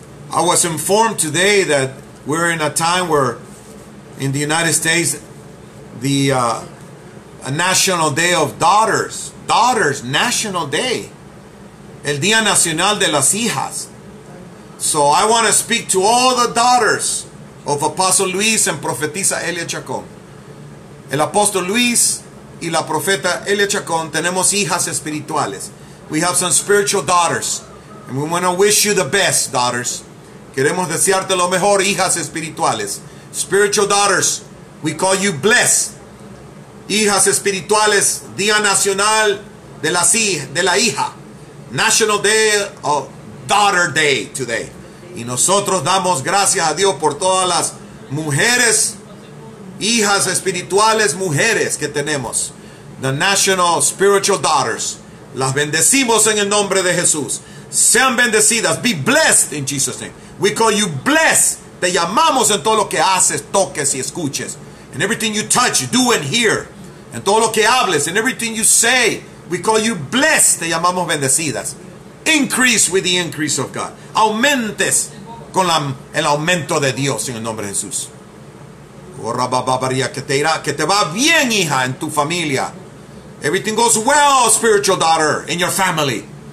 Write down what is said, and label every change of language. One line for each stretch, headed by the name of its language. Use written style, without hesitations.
English: I was informed today that we're in a time where in the United States the a national day of daughters. Daughters, national day.
Spanish: El Día Nacional de las Hijas.
English: So I want to speak to all the daughters of Apostle Luis and Profetisa Elia Chacón.
Spanish: El Apostle Luis y la Profeta Elia Chacón tenemos hijas espirituales.
English: We have some spiritual daughters. And we want to wish you the best, daughters.
Spanish: Queremos desearte lo mejor, hijas espirituales.
English: Spiritual daughters, we call you blessed.
Spanish: Hijas espirituales, Día Nacional de la Hija.
English: National Day of Daughter Day today.
Spanish: Y nosotros damos gracias a Dios por todas las mujeres, hijas espirituales, mujeres que tenemos.
English: The National Spiritual Daughters.
Spanish: Las bendecimos en el nombre de Jesús. Sean bendecidas.
English: Be blessed in Jesus' name. We call you blessed.
Spanish: Te llamamos en todo lo que haces, toques y escuches.
English: And everything you touch, do and hear.
Spanish: En todo lo que hables,
English: in everything you say, we call you blessed.
Spanish: Te llamamos bendecidas.
English: Increase with the increase of God.
Spanish: Aumentes con el aumento de Dios en el nombre de Jesús. Que te va bien, hija, en tu familia.
English: Everything goes well, spiritual daughter, in your family.